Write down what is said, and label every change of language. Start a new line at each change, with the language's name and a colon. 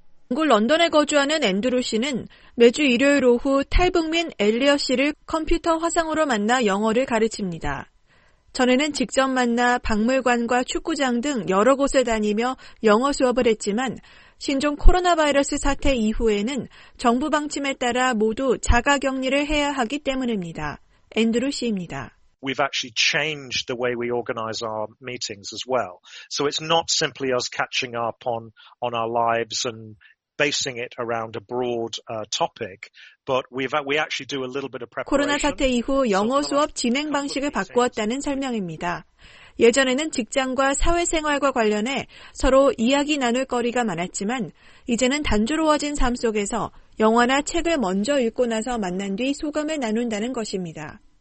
Korean: 영국 런던에 거주하는 앤드루 씨는 매주 일요일 오후 탈북민 엘리어 씨를 컴퓨터 화상으로 만나 영어를 가르칩니다. 전에는 직접 만나 박물관과 축구장 등 여러 곳을 다니며 영어 수업을 했지만 신종 코로나 바이러스 사태 이후에는 정부 방침에 따라 모두 자가 격리를 해야 하기 때문입니다. 앤드루 씨입니다.
English: We've actually changed the way we organize our meetings as well. So it's not simply us catching up on our lives and basing it around a broad topic. But we actually do a little bit of preparation.
Korean: 코로나 사태 이후 영어 수업 진행 방식을 바꾸었다는 설명입니다. 예전에는 직장과 사회생활과 관련해 서로 이야기 나눌 거리가 많았지만 이제는 단조로워진 삶 속에서 영화나 책을 먼저 읽고 나서 만난 뒤 소감을 나눈다는 것입니다.